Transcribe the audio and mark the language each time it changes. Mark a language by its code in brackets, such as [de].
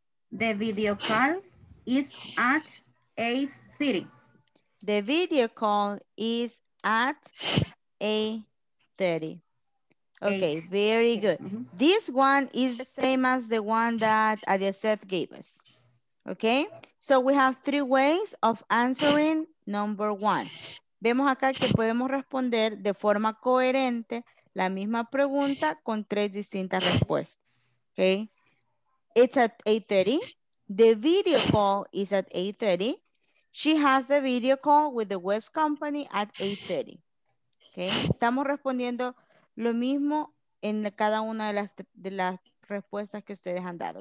[en] The video call is at 8:30. The video call is at 8:30. Okay, very good. This one is the same as the one that Adiaseth gave us. Okay, so we have three ways of answering number one. [es] Vemos acá que podemos responder de forma coherente la misma pregunta con tres distintas respuestas. [en] Okay, it's at 8:30. The video call is at 8:30. She has the video call with the West Company at 8:30. [es] Okay, estamos respondiendo lo mismo en cada una de las respuestas que ustedes han dado.